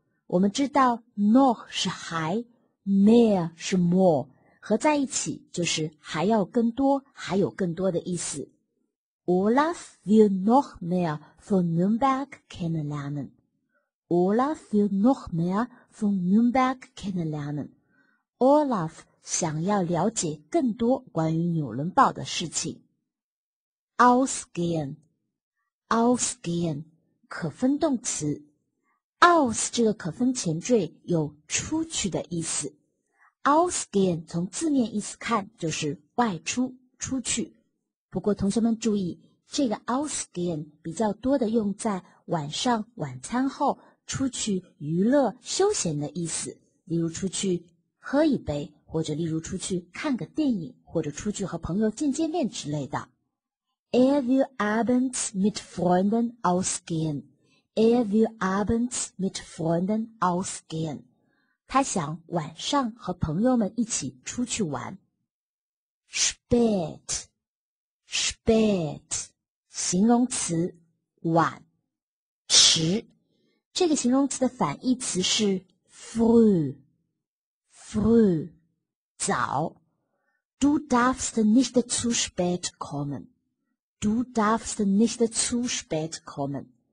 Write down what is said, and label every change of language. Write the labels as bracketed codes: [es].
[zh] 我们知道 noch 是还， mehr 是 more， 合在一起就是还要更多，还有更多的意思。 [de] Olaf will noch mehr von Nürnberg kennenlernen. Olaf will noch mehr von Nürnberg kennenlernen. [zh] Olaf 想要了解更多关于纽伦堡的事情。 [de] Ausgehen, [zh] 可分动词。 Aus 这个可分前缀有出去的意思。 Ausgehen 从字面意思看就是外出、出去。不过同学们注意，这个 ausgehen 比较多的用在晚上晚餐后出去娱乐休闲的意思，例如出去喝一杯，或者例如出去看个电影，或者出去和朋友见见面之类的。 [de] Er will abends mit Freunden ausgehen. Er will abends mit Freunden ausgehen. [zh] 他想晚上和朋友们一起出去玩。 [de] Spät, spät, [zh] 形容词晚迟。这个形容词的反义词是 früh, [de] früh, [zh] 早。 [de] Du darfst nicht zu spät kommen. Du darfst nicht zu spät kommen.